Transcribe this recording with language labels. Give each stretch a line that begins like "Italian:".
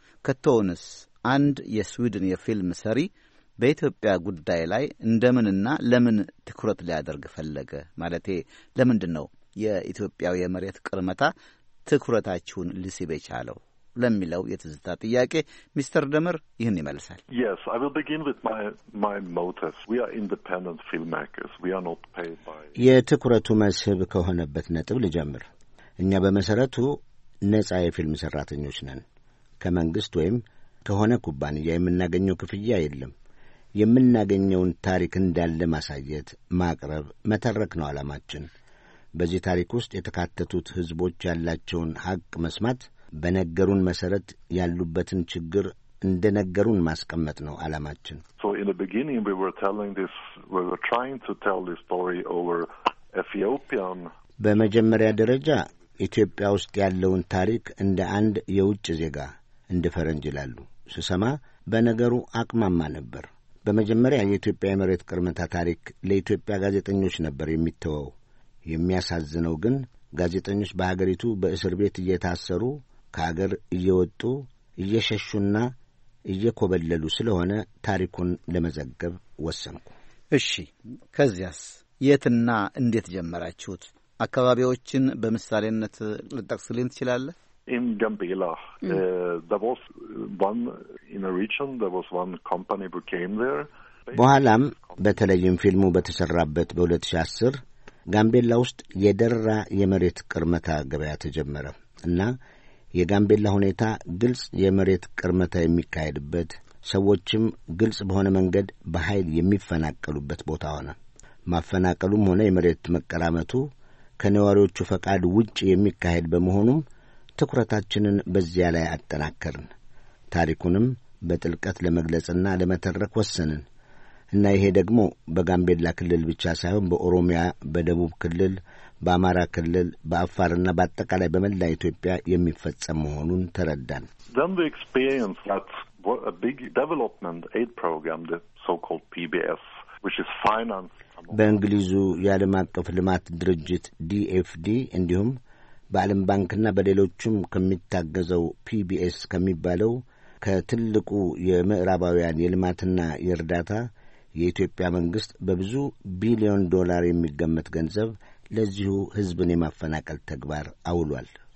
Amharic: ከቶንስ አንድ የስዊድን የፊልም ሰሪ በኢትዮጵያ ጉዳይ ላይ እንደምንና ለምን ትኩረት ሊያደርግ ፈለገ? ማለቴ ለምንድን ነው የኢትዮጵያው የመሬት ቅርመታ ትኩረታችሁን ሊስብ የቻለው ለሚለው የትዝታ ጥያቄ ሚስተር ደመር ይህን ይመልሳል።
English: Yes, I will begin with my motives. We are independent filmmakers. We are not paid by
Amharic: የትኩረቱ መስህብ ከሆነበት ነጥብ ልጀምር። እኛ በመሰረቱ ነጻ የፊልም ሰራተኞች ነን። ከመንግስት ወይም ከሆነ ኩባንያ የምናገኘው ክፍያ የለም። የምናገኘውን ታሪክ እንዳለ ማሳየት፣ ማቅረብ፣ መተረክ ነው አላማችን። በዚህ ታሪክ ውስጥ የተካተቱት ህዝቦች ያላቸውን ሀቅ መስማት፣ በነገሩን መሰረት ያሉበትን ችግር እንደነገሩን ማስቀመጥ ነው አላማችን።
English: So in the beginning we were trying to tell this story over Ethiopian.
Amharic: በመጀመሪያ ደረጃ ኢትዮጵያ ውስጥ ያለውን ታሪክ እንደ አንድ የውጭ ዜጋ እንደ ፈረንጅ ላሉ ስሰማ በነገሩ አቅማማ ነበር። በመጀመሪያ የኢትዮጵያ የመሬት ቅርመታ ታሪክ ለኢትዮጵያ ጋዜጠኞች ነበር የሚተወው። የሚያሳዝነው ግን ጋዜጠኞች በሀገሪቱ በእስር ቤት እየታሰሩ ከሀገር እየወጡ እየሸሹና እየኮበለሉ ስለሆነ ታሪኩን ለመዘገብ ወሰንኩ። እሺ፣ ከዚያስ የትና እንዴት ጀመራችሁት? አካባቢዎችን በምሳሌነት ልጠቅስልኝ ትችላለህ?
English: In Gambela, there was one company who came there.
Amharic: በኋላም በተለይም ፊልሙ በተሰራበት በ2010 ጋምቤላ ውስጥ የደራ የመሬት ቅርመታ ገበያ ተጀመረ እና የጋምቤላ ሁኔታ ግልጽ የመሬት ቅርመታ የሚካሄድበት፣ ሰዎችም ግልጽ በሆነ መንገድ በኃይል የሚፈናቀሉበት ቦታ ሆነ። ማፈናቀሉም ሆነ የመሬት መቀራመቱ ከነዋሪዎቹ ፈቃድ ውጭ የሚካሄድ በመሆኑም ትኩረታችንን በዚያ ላይ አጠናከርን። ታሪኩንም በጥልቀት ለመግለጽና ለመተረክ ወሰንን እና ይሄ ደግሞ በጋምቤላ ክልል ብቻ ሳይሆን በኦሮሚያ፣ በደቡብ ክልል፣ በአማራ ክልል በአፋርና በአጠቃላይ በመላ ኢትዮጵያ የሚፈጸም መሆኑን ተረዳን።
English: Then we experienced that a big development aid program, the so-called PBS, which is financed
Amharic: በእንግሊዙ የዓለም አቀፍ ልማት ድርጅት DFD እንዲሁም በዓለም ባንክና በሌሎችም ከሚታገዘው PBS ከሚባለው ከትልቁ የምዕራባውያን የልማትና የርዳታ የኢትዮጵያ መንግስት በብዙ ቢሊዮን ዶላር የሚገመት ገንዘብ ለዚሁ ህዝብን የማፈናቀል ተግባር አውሏል።